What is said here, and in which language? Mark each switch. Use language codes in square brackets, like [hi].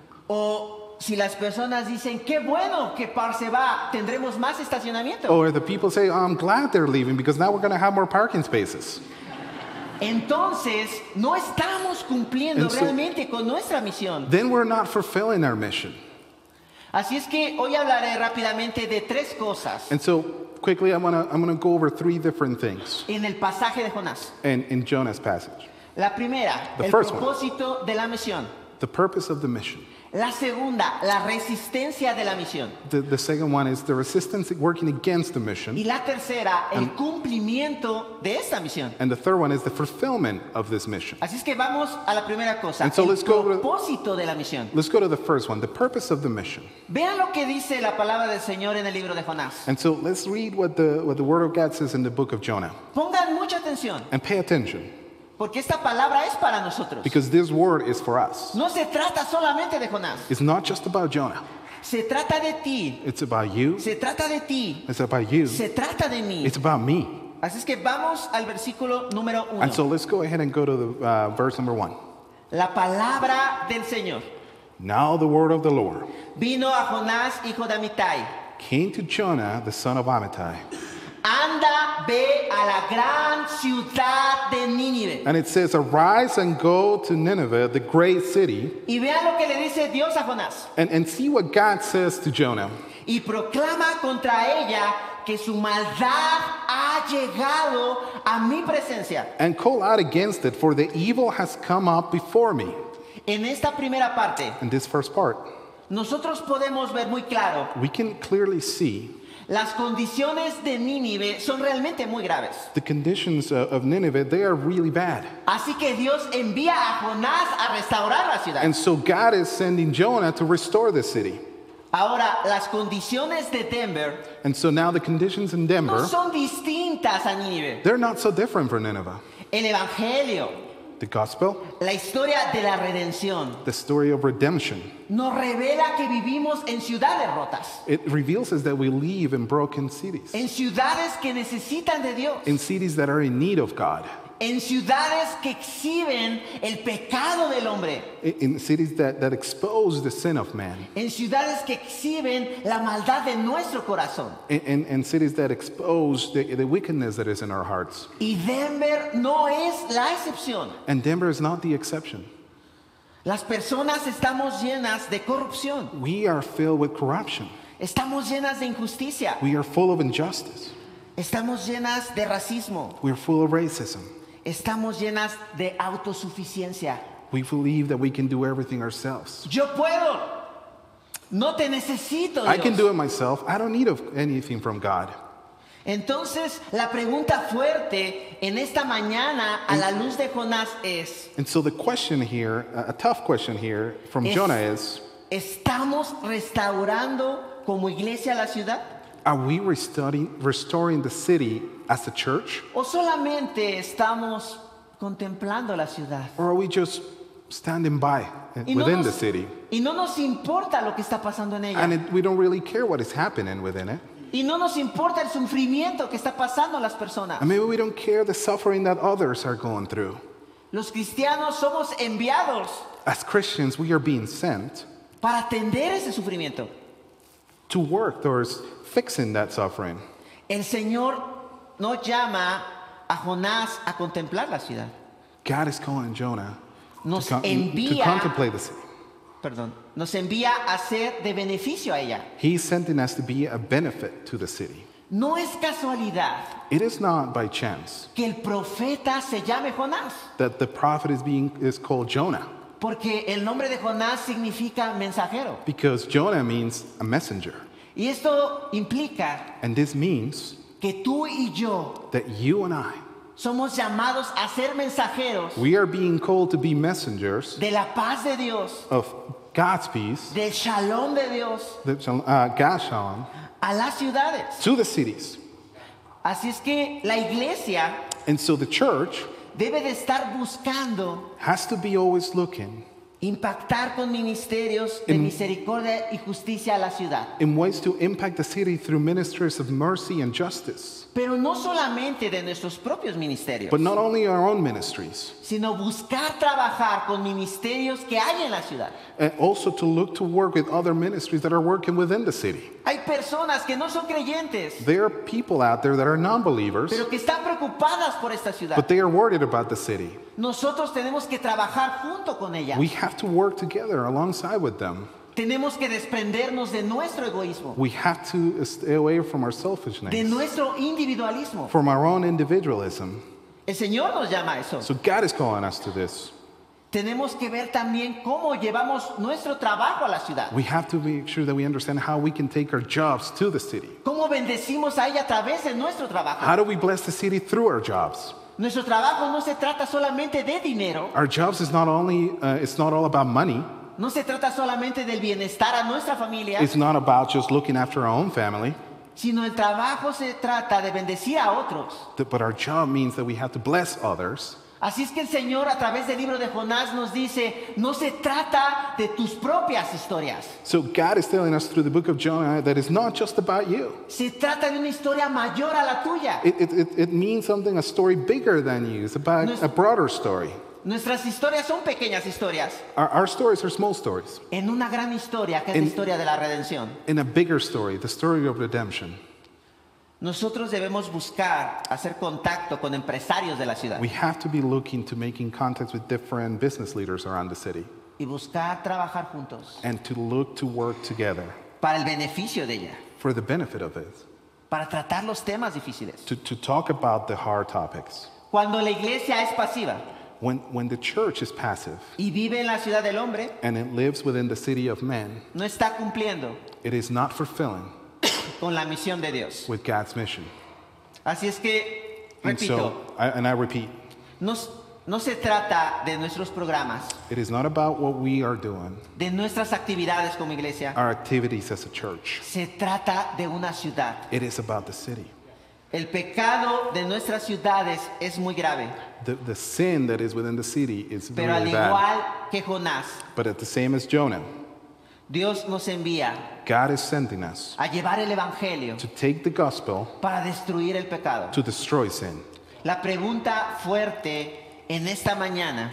[es] O si las personas dicen, qué bueno que Park se va, tendremos más estacionamiento. [en] Or the people say, oh, I'm glad they're leaving because now we're going to have more parking spaces. [es] Entonces, no estamos cumpliendo realmente con nuestra misión. [en] Then we're not fulfilling our mission. [es] Así es que hoy hablaré rápidamente de tres cosas. [en] And so, quickly, I'm gonna go over three different things. [es] En el pasaje de Jonás. [en] In Jonah's passage. [es] La primera, [en] the [es] el propósito [en] one. [es] De la misión. [en] The purpose of the mission. [es] La segunda, la resistencia de la misión. [en] The second one is the resistance working against the mission. [es] Y la tercera, el cumplimiento de esta misión. [en] And the third one is the fulfillment of this mission. [es] Así es que vamos a la primera cosa, [en] so [es] el propósito de la misión. [en] Let's go to the first one, the purpose of the mission. [es] Vean lo que dice la palabra del Señor en el libro de Jonás. [en] And so let's read what the Word of God says in the book of Jonah. [es] Pongan mucha atención. [en] And pay attention. [es] Porque esta palabra es para nosotros. [en] Because this word is for us. [es] No se trata solamente de Jonás. [en] It's not just about Jonah. [es] Se trata de ti. [en] It's about you. [es] Se trata de ti. [en] It's about you. [es] Se trata de mí. [en] It's about me. [es] Así es que vamos al versículo número uno. [en] And so let's go ahead and go to the verse number one. [es] La palabra del Señor. [en] Now the word of the Lord. [es] Vino a Jonás, hijo de Amitai. [en] Came to Jonah, the son of Amittai. [es] Anda, ve a la gran ciudad de Nínive. [en] And it says, arise and go to Nineveh, the great city. [es] Y vea lo que le dice Dios a Jonás. [en] And see what God says to Jonah. [es] Y proclama contra ella que su maldad ha llegado a mi presencia. [en] And call out against it, for the evil has come up before me. [es] En esta primera parte. [en] In this first part. [es] Nosotros podemos ver muy claro. [en] We can clearly see. [es] Las condiciones de Nínive son realmente muy graves. [en] The conditions of Nínive, they are really bad. [es] Así que Dios envía a Jonás a restaurar la ciudad. [en] And so God is sending Jonah to restore the city. [es] Ahora, las condiciones de Denver, [en] and so now the conditions in Denver, [es] no son distintas a Nínive. [en] They're not so different for Nineveh. [es] El Evangelio, [en] the gospel, [es] la historia de la redención, [en] the story of redemption, [es] nos revela que vivimos en ciudades rotas. [en] It reveals us that we live in broken cities. [es] En ciudades que necesitan de Dios. [en] In cities that are in need of God. [es] En ciudades que exhiben el pecado del hombre. [en] In cities that expose the sin of man. [es] En ciudades que exhiben la maldad de nuestro corazón. [en] In cities that expose the wickedness that is in our hearts. [es] Y Denver no es la excepción. [en] And Denver is not the exception. [es] Las personas estamos llenas de corrupción. [en] We are filled with corruption. [es] Estamos llenas de injusticia. [en] We are full of injustice. [es] Estamos llenas de racismo. [en] We are full of racism. [es] Estamos llenas de autosuficiencia. [en] We believe that we can do everything ourselves. [es] Yo puedo. No te necesito, Dios. [en] I can do it myself. I don't need anything from God. [es] Entonces, la pregunta fuerte en esta mañana a la luz de Jonás es. [en] And so the question here, a tough question here from Jonah is. [es] ¿Estamos restaurando como iglesia la ciudad? [en] Are we restoring the city as a church? [es] ¿O solamente estamos contemplando la ciudad? [en] Or are we just standing by within the city? [es] Y no nos importa lo que está pasando en ella. [en] And we don't really care what is happening within it. [es] Y no nos importa el sufrimiento que está pasando a las personas. [en] And maybe we don't care the suffering that others are going through. [es] Los cristianos somos enviados. [en] As Christians, we are being sent. [es] Para atender ese sufrimiento. [en] To work towards fixing that suffering. [es] El Señor no llama a Jonás a contemplar la ciudad. [en] God is calling Jonah to contemplate the city. [es] Perdón, nos envía a ser de beneficio a ella. [en] He's sending us to be a benefit to the city. [es] No es casualidad. [en] It is not by chance. [es] Que el profeta se llame Jonás. [en] That the prophet is called Jonah. [es] Porque el nombre de Jonás significa mensajero. [en] Because Jonah means a messenger. [es] Y esto implica. [en] And this means. [es] Que tú y yo. [en] That you and I. [es] Somos llamados a ser mensajeros. [en] We are being called to be messengers. [es] De la paz de Dios. [en] Of God's peace. [es] De shalom de Dios. [en] De God's shalom. [es] A las ciudades. [en] To the cities. [es] Así es que la iglesia. [en] And so the church. [es] Debe de estar buscando. [en] Has to be always looking. [es] Impactar con ministerios de misericordia y justicia a la ciudad. [en] In ways to impact the city through ministries of mercy and justice. [es] Pero no solamente de nuestros propios ministerios. [en] But not only our own ministries. [es] Sino buscar trabajar con ministerios que hay en la ciudad. [en] And also to look to work with other ministries that are working within the city. [es] Hay personas que no son creyentes. [en] There are people out there that are non-believers. [es] Pero que están preocupadas por esta ciudad. [en] But they are worried about the city. [es] Nosotros tenemos que trabajar junto con ellas. [en] We have to work together alongside with them. [es] Tenemos que desprendernos de nuestro egoísmo. [en] We have to stay away from our selfishness. [es] De nuestro individualismo. [en] From our own individualism. [es] El Señor nos llama a eso. [en] So God is calling us to this. [es] Tenemos que ver también cómo llevamos nuestro trabajo a la ciudad. [en] We have to make sure that we understand how we can take our jobs to the city. [es] ¿Cómo bendecimos a ella a través de nuestro trabajo? [en] How do we bless the city through our jobs? [es] Nuestro trabajo no se trata solamente de dinero. [en] Our jobs is not only it's not all about money. [es] No se trata solamente del bienestar a nuestra familia. [en] It's not about just looking after our own family. [es] Sino el trabajo se trata de bendecir a otros. [en] But our job means that we have to bless others. [es] Así es que el Señor a través del libro de Jonás nos dice, no se trata de tus propias historias. [en] So God is telling us through the book of Jonah that it's not just about you. [es] Se trata de una historia mayor a la tuya. [en] It means something, a story bigger than you. It's about a broader story. [es] Nuestras historias son pequeñas historias. [en] Our stories are small stories. [es] En una gran historia, que es la historia de la redención. [en] In a bigger story, the story of redemption. [es] Nosotros debemos buscar hacer contacto con empresarios de la ciudad. [en] We have to be looking to making contacts with different business leaders around the city. [es] Y buscar trabajar juntos. [en] And to look to work together. [es] Para el beneficio de ella. [en] For the benefit of it. [es] Para tratar los temas difíciles. [en] To talk about the hard topics. [es] Cuando la iglesia es pasiva. [en] When the church is passive. [es] Y vive en la ciudad del hombre. [en] And it lives within the city of men. [es] No está cumpliendo. [en] It is not fulfilling. [es] Con la misión de Dios. [en] With God's mission. [es] Así es que, [en] I repeat. [es] No se trata de nuestros programas. [en] It is not about what we are doing. [es] De nuestras actividades como iglesia. [en] Our activities as a church. [es] Se trata de una ciudad. [en] It is about the city. [es] El pecado de nuestras ciudades es muy grave. [en] The sin that is within the city is very bad. [es] Pero al igual que Jonás. [en] But at the same as Jonah. [es] Dios nos envía. [en] God is sending us. [es] A llevar el evangelio. [en] To take the gospel. [es] Para destruir el pecado. [en] To destroy sin. [es] La pregunta fuerte en esta mañana.